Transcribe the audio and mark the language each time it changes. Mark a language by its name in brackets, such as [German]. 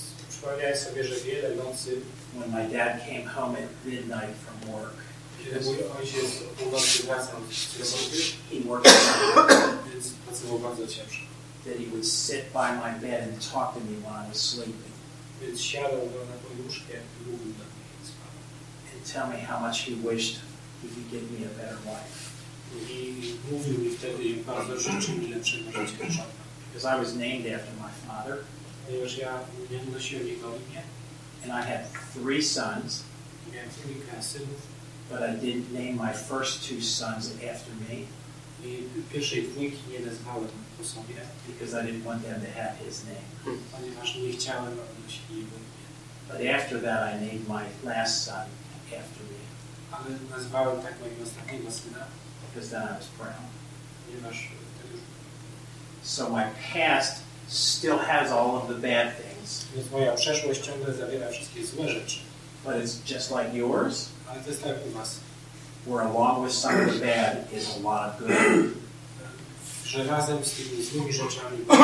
[Polish] przypomniałem sobie, że wiele nocy, [English] when my dad came home at midnight from work, [Polish] kiedy mój ojciec o północy wracał z roboty, [English] he worked on the work, [Polish] więc pracował bardzo ciężko. [English] That he would sit by my bed and talk to me while I was sleeping. [Polish] Więc siadał na moim łóżku i mówił do mnie, więc spał. [English] And tell me how much he wished he could give me a better life. [Polish] I mówił mi wtedy, bardzo życzył mi lepszego życia. [English] Because I was named after my father. [Polish] Ponieważ ja nie nosiłem jego imię. [English] And I had three sons. [Polish] Miałem trójkę synów. [English] But I didn't name my first two sons after me. [Polish] I pierwszej dwójki nie nazwałem po sobie. [English] Because I didn't want them to have his name. [Polish] Ponieważ nie chciałem, aby nosili jego imię. [English] But after that I named my last son after me. [Polish] Ale nazwałem tak mojego ostatniego syna. [English] Because then I was proud. [Polish] Ponieważ [English] so my past still has all of the bad things. [Polish] Więc moja przeszłość ciągle zawiera wszystkie złe rzeczy. [English] But it's just like yours. [Polish] Ale to jest tak jak u was. [English] Where along with some of the bad is a lot of good. [Polish] Że razem z tymi złymi rzeczami